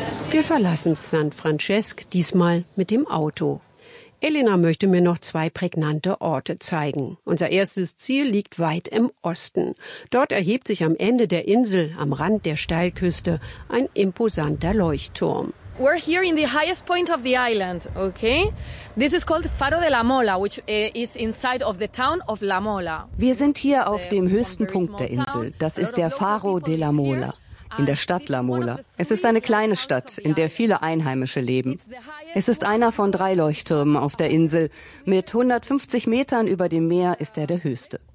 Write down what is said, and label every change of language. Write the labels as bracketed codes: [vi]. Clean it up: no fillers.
[de] Wir verlassen San Francisco, diesmal mit dem Auto. Elena möchte mir noch zwei prägnante Orte zeigen. Unser erstes Ziel liegt weit im Osten. Dort erhebt sich am Ende der Insel, am Rand der Steilküste, ein imposanter Leuchtturm. [en] We're here in the highest point of the island, okay? This is called Faro de la Mola, which is inside of the town of La Mola. [de] Wir sind hier auf dem höchsten Punkt der Insel. Das ist der Faro de la Mola. In der Stadt La Mola. Es ist eine kleine Stadt, in der viele Einheimische leben. Es ist einer von drei Leuchttürmen auf der Insel. Mit 150 Metern über dem Meer ist er der höchste.